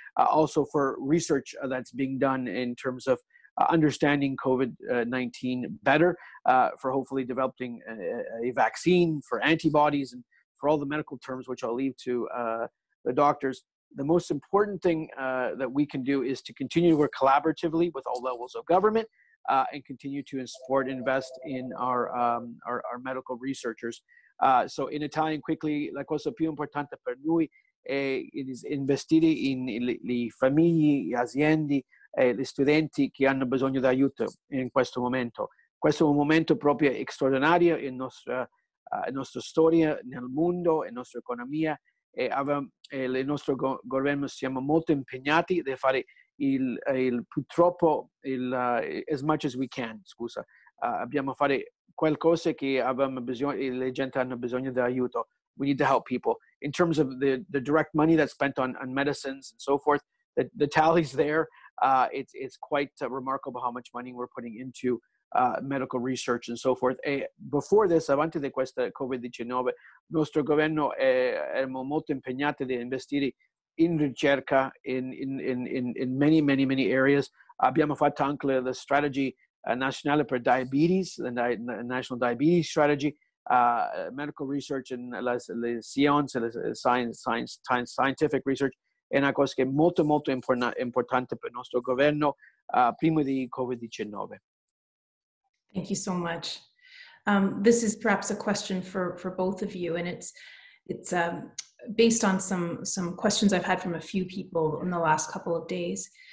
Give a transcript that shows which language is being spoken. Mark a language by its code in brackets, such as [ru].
[en] Also for research that's being done in terms of understanding COVID-19 better, for hopefully developing a vaccine, for antibodies, and for all the medical terms, which I'll leave to the doctors, the most important thing that we can do is to continue to work collaboratively with all levels of government and continue to support and invest in our medical researchers. So in Italian, quickly, [it] la cosa più importante per noi è investire in le famiglie, le aziende, gli studenti che hanno bisogno d'aiuto in questo momento. Questo è un momento proprio straordinario in nostra storia, nel mondo, in nostra economia. E il nostro governo siamo molto impegnati a fare [en] as much as we can. [it] Abbiamo fare qualcosa che abbiamo bisogno, le gente hanno bisogno di aiuto. [en] We need to help people. In terms of the direct money that's spent on medicines and so forth, the tally's there. It's quite remarkable how much money we're putting into medical research and so forth. [it] E [en] before this, [it] avanti di questa COVID-19, nostro governo era molto impegnato di investire in ricerca in [en] many, many, many areas. [it] Abbiamo fatto anche la [en] strategy nazionale per diabetes, the national diabetes strategy, medical research and le science, scientific research. [it] È una cosa che è molto, molto importante per nostro governo prima di COVID-19. [en] Thank you so much. This is perhaps a question for both of you, and it's based on some questions I've had from a few people in the last couple of days.